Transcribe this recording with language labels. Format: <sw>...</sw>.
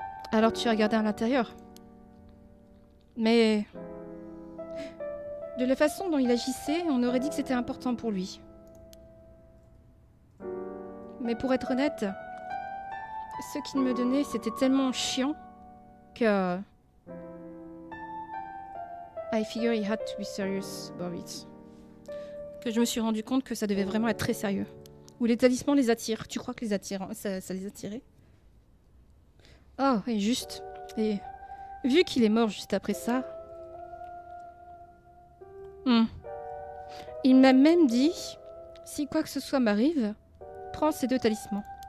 <fr>Alors tu as regardé à l'intérieur. Mais de la façon dont il agissait, on aurait dit que c'était important pour lui. Mais pour être honnête, ce qu'il me donnait, c'était tellement chiant que...</fr> <en>I figured he had to be serious about it.</en> <fr>Que je me suis rendu compte que ça devait vraiment être très sérieux. Ou les talismans les attirent. Tu crois que les attirent, hein? ça les attirait? Oh, et juste. Et vu qu'il est mort juste après ça... Il m'a même dit, si quoi que ce soit m'arrive, prends ces deux talismans.</fr>